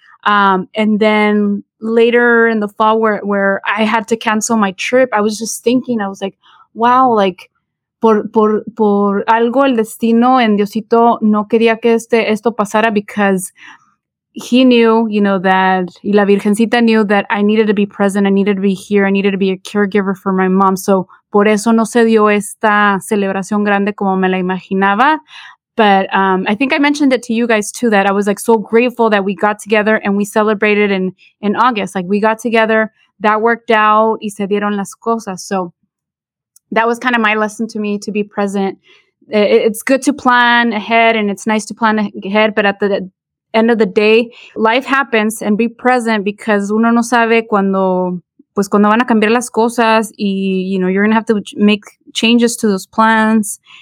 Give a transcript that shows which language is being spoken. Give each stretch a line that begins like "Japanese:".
English: And then later in the fall where I had to cancel my trip, I was just thinking, I was like, wow, like
Spanish: por algo el destino en Diosito no quería que esto pasara,
English: because he knew, you know, that
Spanish: y la Virgencita
English: knew that I needed to be present, I needed to be here, I needed to be a caregiver for my mom. So
Spanish: por eso no se dio esta celebración grande como me la imaginaba.
English: But I think I mentioned it to you guys too, that I was like so grateful that we got together and we celebrated in August. Like we got together, that worked out,
Spanish: y se dieron las cosas.
English: So that was kind of my lesson to me, to be present. It's good to plan ahead, and it's nice to plan ahead, but at the end of the day, life happens, and be present, because
Spanish: uno no sabe cuando van a cambiar las cosas,
English: y, you know, you're going to have to make changes to those plans.